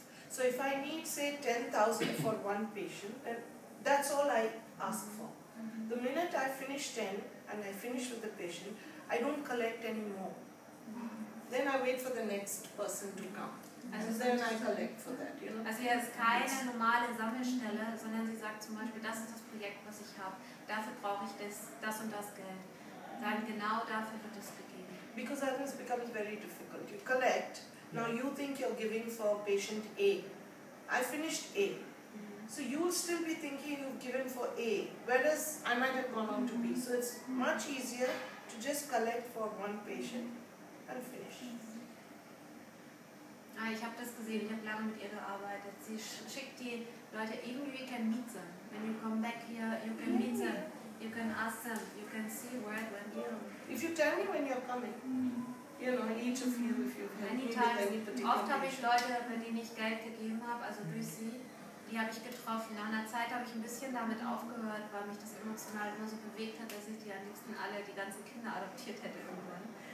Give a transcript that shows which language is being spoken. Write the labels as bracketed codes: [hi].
[en] So if I need, say, 10,000 for one patient, then that's all I ask for. Mm-hmm. The minute I finish 10 and I finish with the patient, I don't collect anymore. Mm-hmm. Then I wait for the next person to come. [de] Also [en] and then I collect for that, you know. [de] Also hier ist keine normale Sammelstelle, sondern sie sagt zum Beispiel, das ist das Projekt, was ich habe. Dafür brauche ich das, das und das Geld. Dann genau dafür wird es gegeben. [en] Because otherwise it becomes very difficult. You collect. Now you think you're giving for patient A. I finished A. So you'll still be thinking you've given for A, whereas I might have gone on to B. So it's much easier to just collect for one patient and finish. [de] Ah, ich habe das gesehen. Ich habe lange mit ihr gearbeitet. Sie schickt die Leute irgendwie. [en] You can meet them. When you come back here, you can meet them. You can ask them. You can see where it went. If you tell me when you're coming. [de] Oft habe ich Leute, für die ich Geld gegeben habe, also durch sie. Die habe ich getroffen. Nach einer Zeit habe ich ein bisschen damit aufgehört, weil mich das emotional immer so bewegt hat, dass ich die am liebsten alle, die ganzen Kinder adoptiert hätte irgendwann.